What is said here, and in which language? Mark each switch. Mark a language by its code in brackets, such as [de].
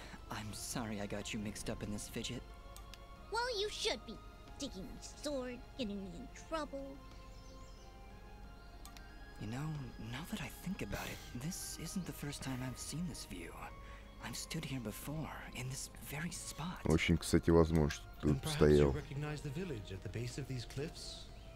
[en] I'm sorry I got you mixed up in this, Fidget. Well, you should be. Taking my sword, getting me in trouble. You know, now that I think about it, this isn't the first time I've seen this view. I've stood here before, in this very spot. [ru] Очень, кстати, возможно, что тут стоял. [en] You recognize the village at the base of these cliffs?